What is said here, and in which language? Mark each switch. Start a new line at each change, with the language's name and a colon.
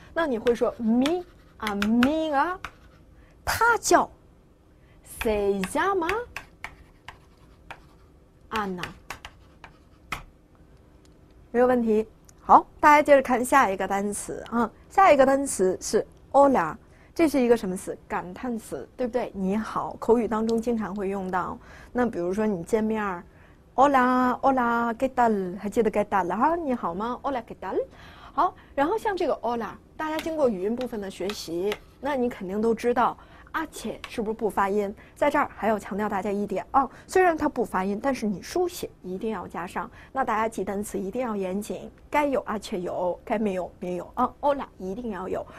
Chinese: 那你会说
Spanish: me amiga，
Chinese: 他叫
Spanish: se llama Anna，
Chinese: 没有问题。好，大家接着看下一个单词啊，下一个单词是 hola， 这是一个什么词，感叹词，对不对？你好，口语当中经常会用到。那比如说你见面
Spanish: hola hola qué tal，
Chinese: 还记得
Spanish: qué tal
Chinese: 啊，你好吗，
Spanish: hola qué tal。
Chinese: 好，然后像这个 hola， 大家经过语音部分的学习，那你肯定都知道阿切是不是不发音？在这儿还要强调大家一点啊，虽然它不发音，但是你书写一定要加上。那大家记单词一定要严谨，该有阿切有，该没有没有啊，欧拉一定要有。